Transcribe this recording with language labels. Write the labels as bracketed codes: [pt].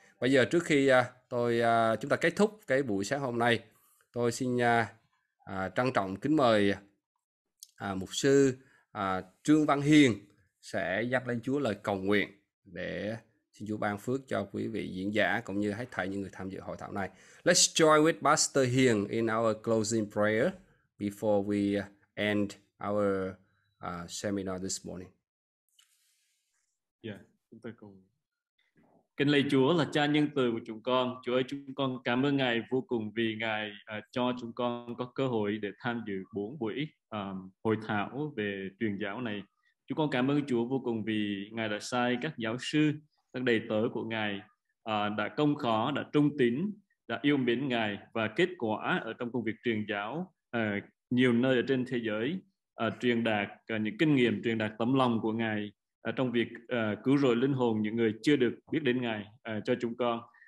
[vi] Bây giờ trước khi chúng ta kết thúc cái buổi sáng hôm nay, tôi xin trân trọng kính mời mục sư Trương Văn Hiền sẽ dâng lên Chúa lời cầu nguyện để xin Chúa ban phước cho quý vị diễn giả cũng như hết thảy những người tham dự hội thảo này. [en] Let's join with Pastor Hiền in our closing prayer before we end our seminar this morning. [vi] Yeah, chúng ta cùng. Kính lạy Chúa là Cha nhân từ của chúng con. Chúa ơi, chúng con cảm ơn Ngài vô cùng vì Ngài cho chúng con có cơ hội để tham dự 4 buổi hội thảo về truyền giáo này. Chúng con cảm ơn Chúa vô cùng vì Ngài đã sai các giáo sư, các đầy tớ của Ngài đã công khó, đã trung tín, đã yêu mến Ngài và kết quả ở trong công việc truyền giáo nhiều nơi ở trên thế giới truyền đạt những kinh nghiệm, truyền đạt tấm lòng của Ngài trong việc cứu rỗi linh hồn những người chưa được biết đến Ngài cho chúng con.